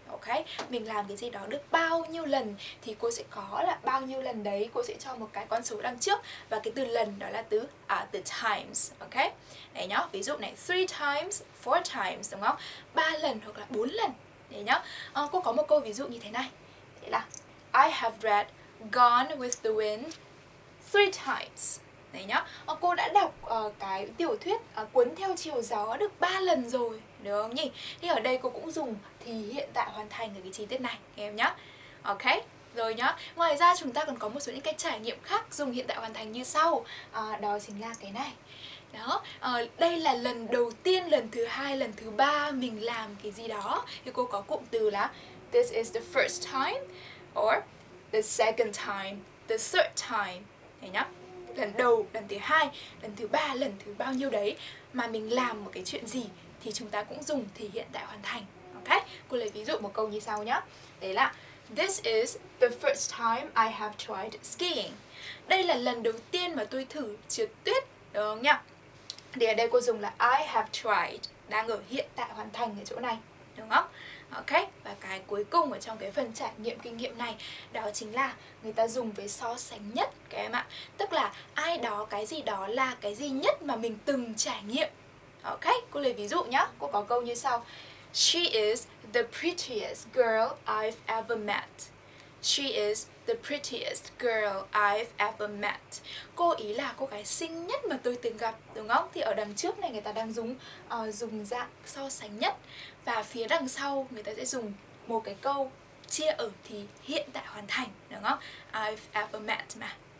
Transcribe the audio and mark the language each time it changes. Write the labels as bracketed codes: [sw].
[vi] Ok, mình làm cái gì đó được bao nhiêu lần. Thì cô sẽ có là bao nhiêu lần đấy. Cô sẽ cho một cái con số đằng trước. Và cái từ lần đó là từ từ times. Ok, đấy nhá, ví dụ này 3 times, 4 times đúng không? 3 lần hoặc là 4 lần. Đấy nhá, cô có một câu ví dụ như thế này. Đấy là [en] I have read Gone with the Wind 3 times. [vi] Đấy nhá, cô đã đọc cái tiểu thuyết Cuốn theo chiều gió được 3 lần rồi. Được không nhỉ? Thì ở đây cô cũng dùng thì hiện tại hoàn thành ở cái chi tiết này em nhá. Ok, rồi nhá. Ngoài ra chúng ta còn có một số những cái trải nghiệm khác dùng hiện tại hoàn thành như sau. Đó chính là cái này. Đó, đây là lần đầu tiên, lần thứ hai, lần thứ ba mình làm cái gì đó. Thì cô có cụm từ là [en] this is the first time or the second time, the third time. [vi] Đấy nhá, lần đầu, lần thứ hai, lần thứ ba, lần thứ bao nhiêu đấy mà mình làm một cái chuyện gì thì chúng ta cũng dùng thì hiện tại hoàn thành. Ok, cô lấy ví dụ một câu như sau nhá. Đấy là [en] this is the first time I have tried skiing. [vi] Đây là lần đầu tiên mà tôi thử trượt tuyết. Được không nhá? Thì ở đây cô dùng là [en] I have tried, [vi] đang ở hiện tại hoàn thành ở chỗ này. Đúng không? Ok, và cái cuối cùng ở trong cái phần trải nghiệm kinh nghiệm này, đó chính là người ta dùng với so sánh nhất các em ạ. Tức là ai đó, cái gì đó là cái gì nhất mà mình từng trải nghiệm. Ok, cô lấy ví dụ nhá. Cô có câu như sau. [en] She is the prettiest girl I've ever met. She is the prettiest girl I've ever met. [vi] Cô ý là cô gái xinh nhất mà tôi từng gặp, đúng không? Thì ở đằng trước này người ta đang dùng dùng dạng so sánh nhất. Và phía đằng sau người ta sẽ dùng một cái câu chia ở thì hiện tại hoàn thành, đúng không? [en] I've ever met mà.